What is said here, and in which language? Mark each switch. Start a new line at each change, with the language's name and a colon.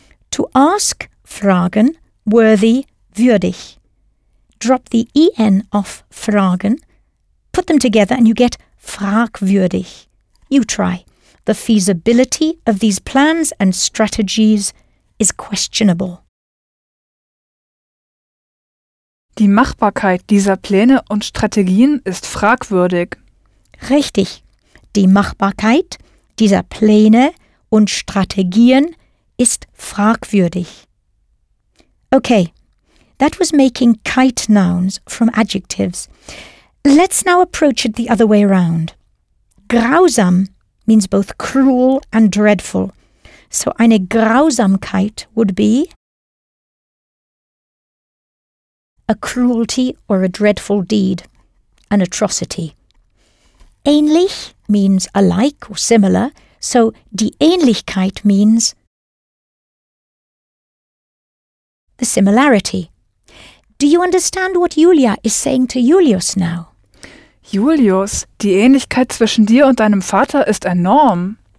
English: To ask, fragen, worthy, würdig. Drop the en off fragen, put them together and you get fragwürdig. You try. The feasibility of these plans and strategies is questionable.
German: Die Machbarkeit dieser Pläne und Strategien ist fragwürdig. Richtig. Die Machbarkeit dieser Pläne und Strategien ist fragwürdig.
English: Okay, that was making kite nouns from adjectives. Let's now approach it the other way around. Grausam means both cruel and dreadful. So eine Grausamkeit would be a cruelty or a dreadful deed, an atrocity. Ähnlich means alike or similar, so die Ähnlichkeit means the similarity. Do you understand what Julia is saying to Julius now?
German: Julius, die Ähnlichkeit zwischen dir und deinem Vater ist enorm.